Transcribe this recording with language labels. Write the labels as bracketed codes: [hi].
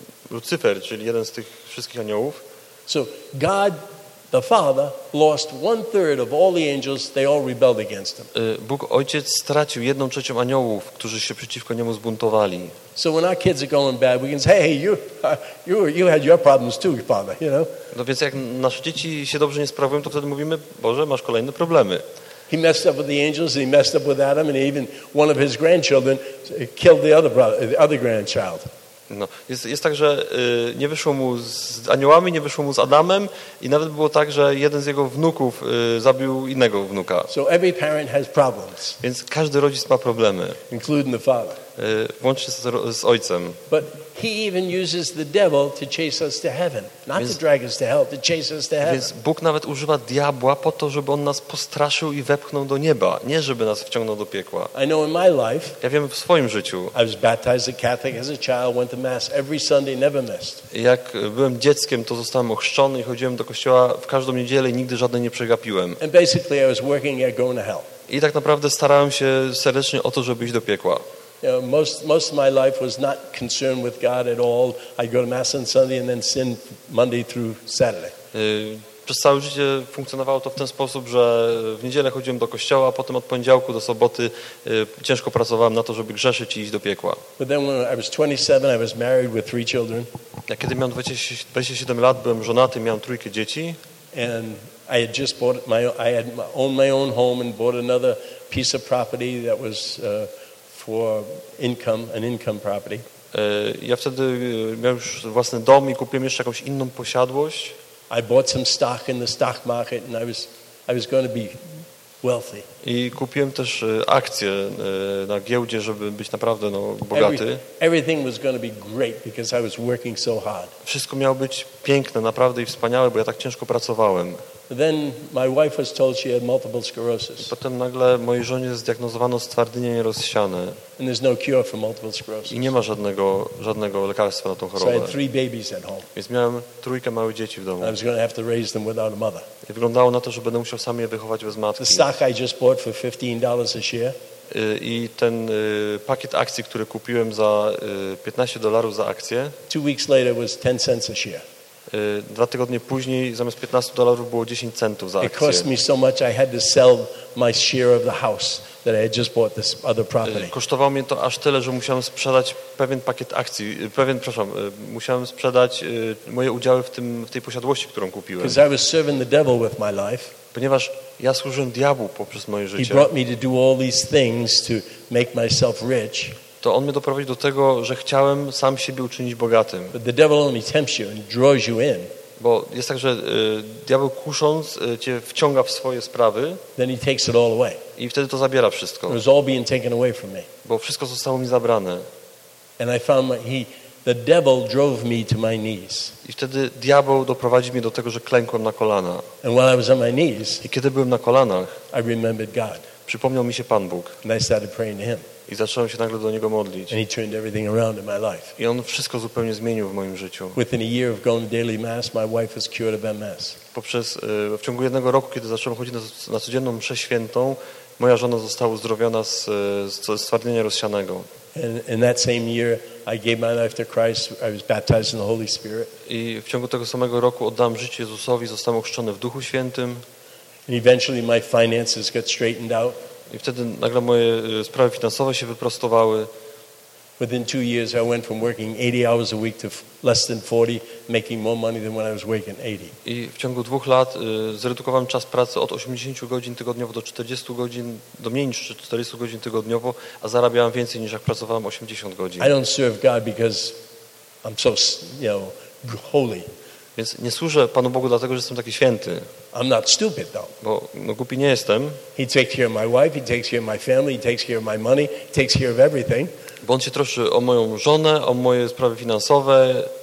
[pl] Lucifer, czyli jeden z tych wszystkich aniołów. [en] So God the Father lost 1/3 of all the angels, they all rebelled against him. [pl] Bóg Ojciec stracił 1/3 aniołów, którzy się przeciwko niemu zbuntowali. [en] So when our kids are going bad, we can say, hey, you had your problems too, Father, you know? [pl] No więc jak nasze dzieci się dobrze nie sprawują, to wtedy mówimy, Boże, masz kolejne problemy. [en] He messed up with the angels, he messed up with Adam, and even one of his grandchildren killed the other grandchild. [pl] No, jest tak, że nie wyszło mu z aniołami, nie wyszło mu z Adamem i nawet było tak, że jeden z jego wnuków zabił innego wnuka. [en] So every parent has problems. [pl] Więc każdy rodzic ma problemy. [en] Including the father. [pl] Włącznie z ojcem. [en] But he even uses the devil to chase us to heaven. Not to drag us to hell, to chase us to heaven. [pl] Więc Bóg nawet używa diabła po to, żeby on nas postraszył i wepchnął do nieba, nie żeby nas wciągnął do piekła. [en] I know in my life. [pl] Ja wiem w swoim życiu. [en] I was baptized a Catholic as a child, went to mass every Sunday, never missed. [pl] Jak byłem dzieckiem, to zostałem ochrzczony i chodziłem do kościoła w każdą niedzielę i nigdy żadnej nie przegapiłem. [en] And basically I was working at going to hell. [pl] I tak naprawdę starałem się serdecznie o to, żeby iść do piekła. [en] You know, most of my life was not concerned with God at all. I'd go to mass on Sunday and then sin Monday through Saturday. [pl] Przez całe życie funkcjonowało to w ten sposób, że w niedzielę chodziłem do kościoła, a potem od poniedziałku do soboty ciężko pracowałem na to, żeby grzeszyć i iść do piekła. [en] But then when I was 27, I was married with three children. [pl] Ja kiedy miałem 27 lat, byłem żonaty, miałem trójkę dzieci. [en] And I had just bought my owned my own home and bought another piece of property that was for income, an income property. [pl] Ja wtedy miałem już własny dom i kupiłem jeszcze jakąś inną posiadłość. [en] I bought some stock in the stock market and I was going to be wealthy. [pl] I kupiłem też akcje na giełdzie, żeby być naprawdę bogaty. [en] Everything was going to be great because I was working so hard. [pl] Wszystko miało być piękne, naprawdę i wspaniałe, bo ja tak ciężko pracowałem. [en] Then my wife was told she had multiple sclerosis. [pl] Potem nagle mojej żonie zdiagnozowano stwardnienie rozsiane. [en] And there's no cure for multiple sclerosis. [pl] I nie ma żadnego lekarstwa na tą chorobę. [en] So I had three babies at home. [pl] Więc miałem trójkę małych dzieci w domu. [en] I was going to have to raise them without a mother. [pl] I wyglądało na to, że będę musiał sam je wychować bez matki. [en] The stock I just bought for $15 a share. [pl] I ten pakiet akcji, który kupiłem za $15 za akcję. [en] 2 weeks later was 10 cents a share. [pl] Dwa tygodnie później zamiast $15 było 10 centów za akcję. [en] It cost me so much I had to sell my share of the house that I had just bought this other property. [pl] Kosztowało mnie to aż tyle, że musiałem sprzedać pewien pakiet akcji, musiałem sprzedać moje udziały w tej posiadłości, którą kupiłem. [en] Because I was serving the devil with my life. [pl] Ponieważ ja służyłem diabłu poprzez moje życie. [en] He brought me to do all these things to make myself rich. [pl] To on mnie doprowadził do tego, że chciałem sam siebie uczynić bogatym. [en] But the devil only tempts you and draws you in. [pl] Bo jest tak, że diabeł kusząc cię wciąga w swoje sprawy. [en] Then he takes it all away. [pl] I wtedy to zabiera wszystko. [en] It was all being taken away from me. [pl] Bo wszystko zostało mi zabrane. [en] And I found the devil drove me to my knees. [pl] I wtedy diabeł doprowadził mnie do tego, że klękłem na kolana. [en] And while I was on my knees, [pl] i kiedy byłem na kolanach, [en] I remembered God. [pl] Przypomniał mi się Pan Bóg. [en] And I started praying to him. [pl] I zacząłem się nagle do Niego modlić. [en] And he turned everything around in my life. [pl] I On wszystko zupełnie zmienił w moim życiu. [en] Within a year of going to daily mass, my wife was cured of MS. [pl] W ciągu jednego roku, kiedy zacząłem chodzić na codzienną mszę świętą, moja żona została uzdrowiona ze stwardnienia rozsianego. [en] And in that same year, I gave my life to Christ. I was baptized in the Holy Spirit. [pl] I w ciągu tego samego roku oddałem życie Jezusowi, zostałem ochrzczony w Duchu Świętym. [en] And eventually my finances got straightened out. [pl] I wtedy nagle moje sprawy finansowe się wyprostowały. [en] Within 2 years I went from working 80 hours a week to less than 40, making more money than when I was working 80. [pl] I w ciągu 2 lat zredukowałem czas pracy od 80 godzin tygodniowo do 40 godzin, do mniej niż 40 godzin tygodniowo, a zarabiałem więcej niż jak pracowałem 80 godzin. [en] I don't serve God because I'm so, you know, holy. [pl] Więc nie służę Panu Bogu dlatego, że jestem taki święty. [en] I'm not stupid though. [pl] Bo no, głupi nie jestem. [en] He takes care of my wife, he takes care of my family, he takes care of my money, he takes care of everything. [pl] Bo on się troszczy o moją żonę, o moje sprawy finansowe.